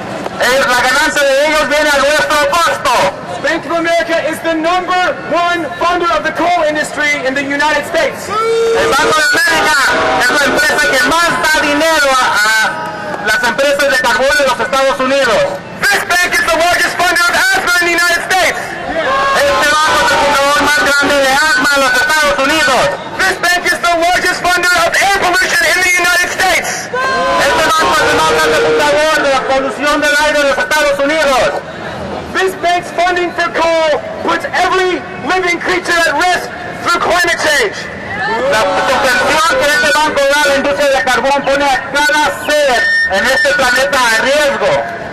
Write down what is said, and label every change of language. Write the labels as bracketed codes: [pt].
[es] La ganancia de ellos viene a nuestro costo. [en] Bank of America is the number one funder of the coal industry in the United States. [es] El Banco de América es la empresa que más da dinero a las empresas de carbón en los Estados Unidos. [en] This bank is the largest funder of asthma in the United States. [es] Este banco es el fundador más grande de asma en los Estados Unidos. [en] This bank is the largest funder of air pollution in the United States. [es] Este banco es el más grande fundador de la polución del aire en los Estados Unidos. [en] This bank's funding for coal puts every living creature at risk through climate change. [es] La subvención que este banco da a la industria de carbón pone a cada ser en este planeta a riesgo.